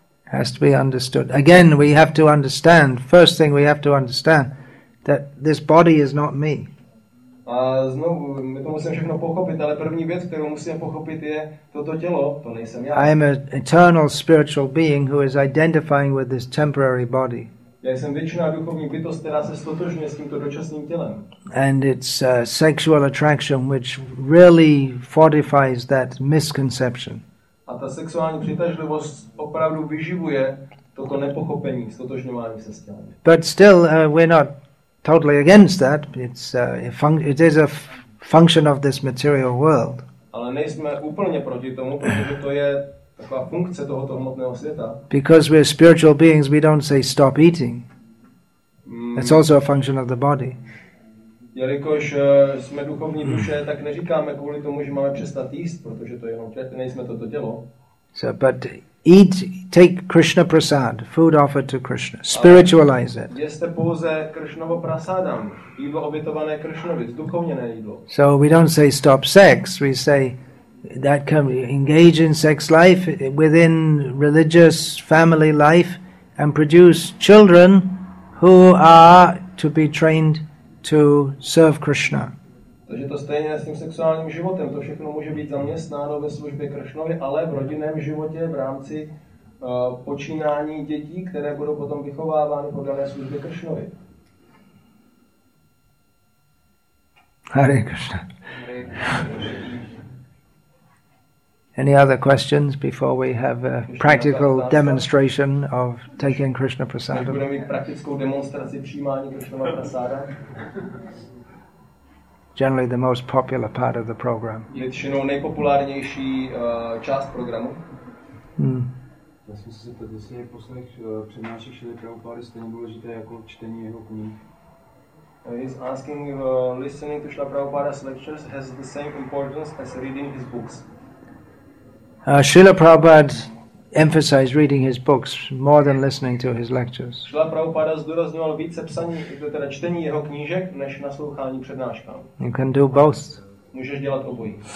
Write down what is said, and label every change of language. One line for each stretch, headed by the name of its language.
English: Has to be understood. Again, we have to understand, first thing we have to understand, that this body is not me.
Czech: A znovu, my to musíme všechno pochopit, ale první věc, kterou musíme pochopit, je toto tělo, to nejsem já.
English: I am an eternal spiritual being who is identifying with this temporary body.
Czech: Já jsem věčná duchovní bytost, která se stotožňuje s tímto dočasným tělem.
English: And it's sexual attraction which really fortifies that misconception.
Czech: A ta sexuální přitažlivost opravdu vyživuje toto nepochopení, stotožňování se s tělem.
English: But still, we're not totally against that. It's a fun- it is a f- function of this material world.
Czech: Ale nejsme úplně proti tomu, protože to je taková funkce tohoto hmotného světa.
English: Because we're spiritual beings, we don't say stop eating. It's also a function of the body.
Czech: Jelikož jsme duchovní duše, tak neříkáme kvůli tomu, že máme přestat jíst, protože to je jenom nejsme toto tělo.
English: So, but eat, take Krishna prasad, food offered to Krishna, spiritualize it.
Czech: Jeste pouze Krishnovo prasadam, jídlo obětované Krishnovi, zduchovněné jídlo.
English: So we don't say stop sex, we say that can engage in sex life within religious family life and produce children who are to be trained to serve Krishna.
Czech: Takže to stejně s tím sexuálním životem, to všechno může být zaměstnáno ve službě Krishnovi, ale v rodinném životě v rámci počínání dětí, které budou potom vychovávány po dané službě Krishnovi.
English: Hare Krishna. Any other questions before we have a practical demonstration of taking Krishna prasadam?
Czech: Budeme mít praktickou demonstraci přijímání Krishna prasada.
English: Generally the most popular part of the program.
Czech: Je většinou nejpopulárnější část programu. Já jsem si zeptat, jestli je poslech přednášek Šrily Prabhupády stejně důležité jako čtení jeho knih.
English: He's asking if listening to Srila Prabhupada's lectures has the same importance as reading his books. Srila Prabhupada emphasized reading his books more than listening to his lectures.
Czech: Srila Prabhupada zdůrazňoval více psaní, teda čtení jeho knížek, než naslouchání přednáškám.
English: You can do both.
Czech: Můžeš dělat obojí.